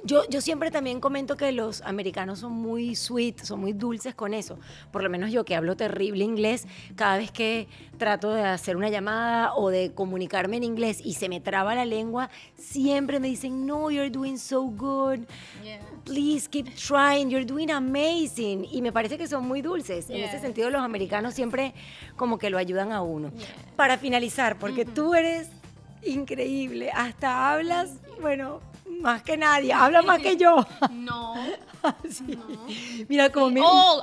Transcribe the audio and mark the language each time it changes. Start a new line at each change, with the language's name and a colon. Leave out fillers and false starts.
Spanish: Yo siempre también comento que los americanos son muy sweet, son muy dulces con eso. Por lo menos yo, que hablo terrible inglés, cada vez que trato de hacer una llamada o de comunicarme en inglés y se me traba la lengua, siempre me dicen,
English: no, you're doing so good. Please keep trying, you're doing amazing.
Spanish: Y me parece que son muy dulces. Yeah. En ese sentido, los americanos siempre como que lo ayudan a uno. Yeah. Para finalizar, porque tú eres... increíble, hasta hablas, bueno, más que nadie, habla más que yo. No. Sí. No. Mira cómo sí.